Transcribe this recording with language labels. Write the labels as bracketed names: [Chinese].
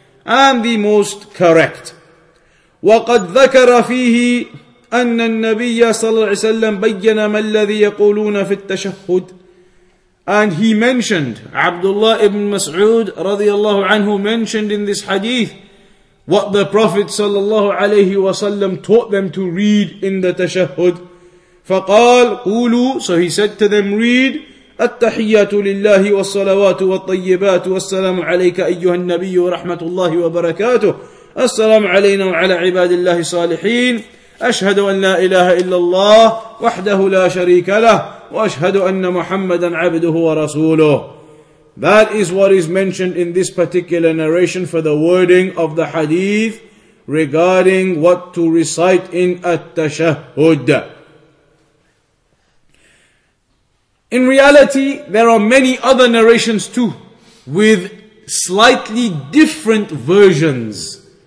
[English] And the most correct. [Arabic] وَقَدْ ذَكَرَ فِيهِ أَنَّ النَّبِيَّ صَلَّى اللَّهُ عَلَيْهِ وَسَلَّمْ بَيَّنَ مَا الَّذِي يَقُولُونَ فِي التَّشَهُّدْ. [English] And he mentioned, Abdullah ibn Mas'ud radiallahu anhu mentioned in this hadith what the Prophet sallallahu alayhi wa sallam taught them to read in the tashahhud. [Arabic] فقال قولوا, [English] so he said to them, read [Arabic] التحيات لله والصلوات والطيبات والسلام عليك أيها النبي ورحمة الله وبركاته السلام علينا وعلى عباد الله الصالحين أشهد أن لا إله إلا الله وحده لا شريك له وأشهد أن محمدا عبده ورسوله. [English] That is what is mentioned in this particular narration for the wording of the hadith regarding what to recite in at-tashahhud. In reality, there are many other narrations too, with slightly different versions.